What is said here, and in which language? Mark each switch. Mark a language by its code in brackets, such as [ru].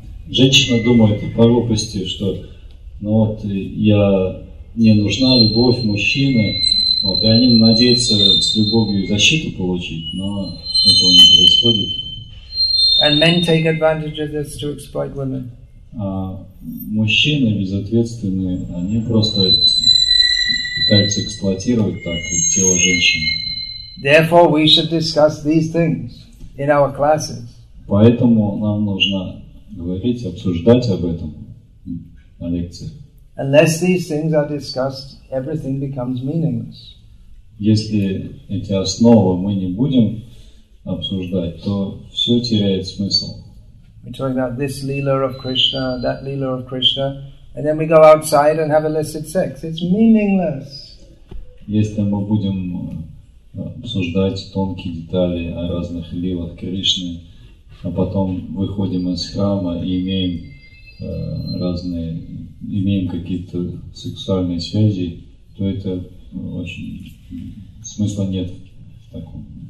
[ru] Женщина думает по глупости, что ну вот я не нужна любовь мужчины. Вот, и они надеются с любовью защиту получить, но этого не происходит. [en] And men take advantage of this to exploit women. [ru] А мужчины безответственные, они просто пытаются эксплуатировать так тело женщины. [en] Therefore, we should discuss these things in our classes. [ru] Поэтому нам нужно говорить, обсуждать об этом на лекциях. [en] Unless these things are discussed, everything becomes meaningless. [ru] Если эти основы мы не будем обсуждать, то все теряет смысл. [en] We talk about this lila of Krishna, that lila of Krishna, and then we go outside and have illicit sex. It's meaningless. [ru] Если мы будем обсуждать тонкие детали о разных лилах Кришны, а потом выходим из храма и имеем какие-то сексуальные связи, то это очень смысла нет в таком.